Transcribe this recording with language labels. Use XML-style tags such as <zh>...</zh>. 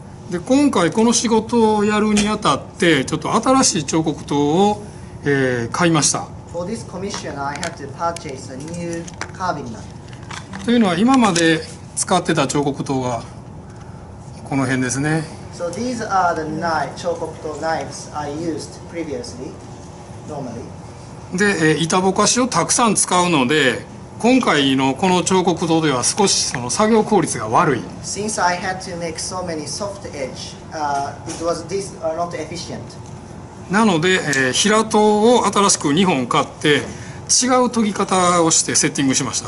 <ja>で、今回この仕事をやるにあたってちょっと新しい彫刻刀を、買いました。</ja> <en>For this commission, I have to purchase a new carving knife.</en> <ja>というのは今まで使ってた彫刻刀がこの辺ですね。</ja> <en>So these are the knife, 彫刻刀 knives I used previously, normally.</en> <ja>で、板ぼかしをたくさん使うので今回のこの彫刻刀では少しその作業効率が悪い。</ja> <en>Since I had to make so many soft edge, it was this not efficient.</en> <ja>なので、平刀を新しく2本買って違う研ぎ方をしてセッティングしました。</ja>